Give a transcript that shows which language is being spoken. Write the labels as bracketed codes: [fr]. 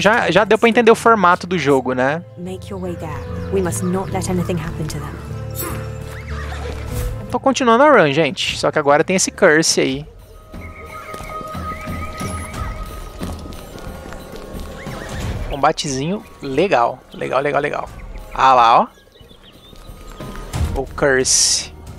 [pt] já deu pra entender o formato do jogo, né? [en] Make your way there. We must not let anything happen to them. [pt] Tô continuando a run, gente. Só que agora tem esse curse aí. Combatezinho legal. Legal. Ah lá, ó. O curse.